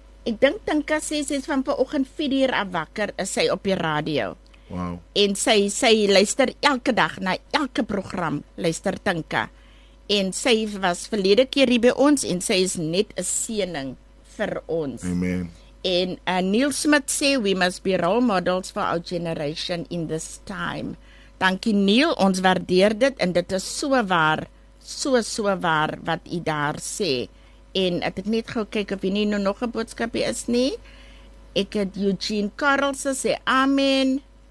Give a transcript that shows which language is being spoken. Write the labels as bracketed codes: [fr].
[af] Ek dink Tinka sê, sy is van vanoggend 4 uur af wakker, is sy op die radio. Wow. En sy luister elke dag na elke program, luister Tinka. En sy was verlede keer hier by ons en sy is net 'n seëning vir ons. Amen. En Neil Smith sê, [en] we must be role models for our generation in this time. [af] Dankie Neil, ons waardeer dit en dit is so waar, so waar wat jy daar sê. En ek het net gou kyk of jy nie nog 'n boodskapie is nie. Ek het Eugene Karlse sê, amen.